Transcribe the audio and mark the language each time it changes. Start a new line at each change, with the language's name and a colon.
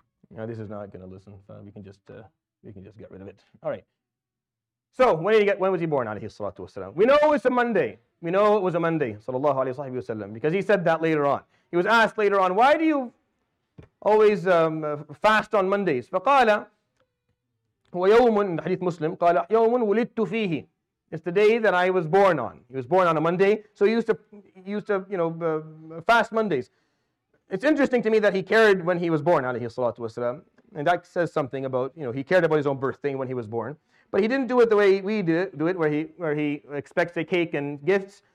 English: Now, this is not going to listen. We can just get rid of it. All right. So, when was he born, alayhi salatu wasalam? We know it's a Monday. We know it was a Monday, sallallahu alayhi wa sallam, because he said that later on. He was asked later on, why do you always fast on Mondays.
Arabic: فَقَالَ وَيَوْمٌ
English: in the Hadith Muslim,
Arabic: قَالَ يَوْمٌ وُلِدْتُ فِيهِ.
English: It's the day that I was born on. He was born on a Monday, so he used to fast Mondays. It's interesting to me that he cared when he was born, alayhi salatu wasalam, and that says something about, you know, he cared about his own birthday when he was born, but he didn't do it the way we do it, where he expects a cake and gifts.